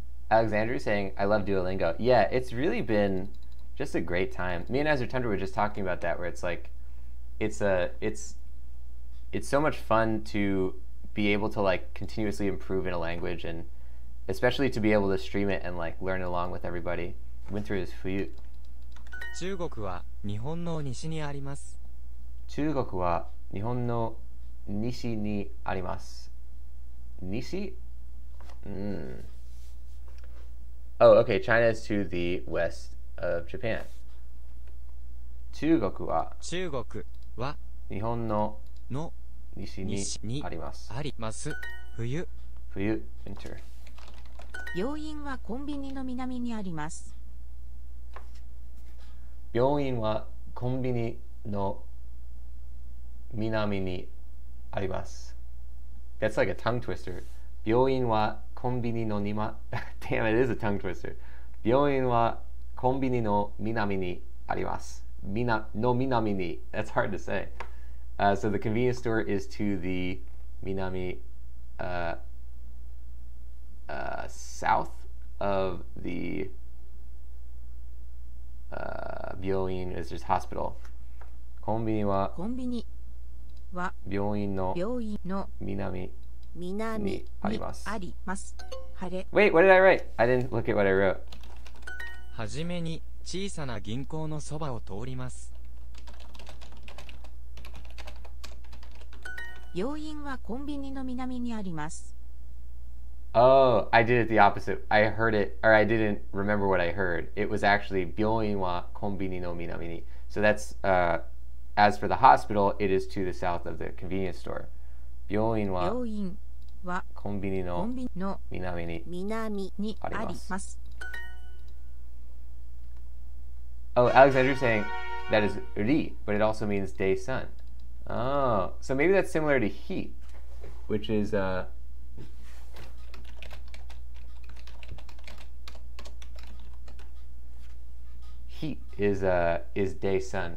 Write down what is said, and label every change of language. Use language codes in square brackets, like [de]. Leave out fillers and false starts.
[en] Alexandria saying, I love Duolingo. Yeah, it's really been just a great time. Me and Ezra Tundra were just talking about that, where it's like, it's so much fun to be able to like continuously improve in a language, and especially to be able to stream it and like learn along with everybody. Winter is fuyu. [ja] 中国は日本の西にあります. 中国は日本の 西 に あります。西? [en] Oh, okay. China is to the west of Japan. [ja] 中国は日本のの西 に あります。あります。冬 [en] winter. [ja] 病院はコンビニの南にあります。病院はコンビニの南にあります。 [en] That's like a tongue twister. [ja] 病院はコンビニの庭。 [en] Damn, it is a tongue twister. [ja] 病院はコンビニの南にあります。南に。 [en] That's hard to say. So the convenience store is to the 南 south of the 病院 is just hospital. [ja] コンビニはコンビニ。病院の南にあります。あります。晴れ。 [en] Wait, what did I write? I didn't look at what I wrote. [ja] はじめに小さな銀行のそばを通ります。病院はコンビニの南にあります。 [en] Oh, I did it the opposite. I heard it, or I didn't remember what I heard. It was actually [ja] 病院はコンビニの南に。 [en] So that's, as for the hospital, it is to the south of the convenience store. [ja] 病院ははコンビニの南にあります。 [en] Oh, Alexandra's saying that is ri, but it also means day sun. Oh, so maybe that's similar to hi, which is hi is day sun.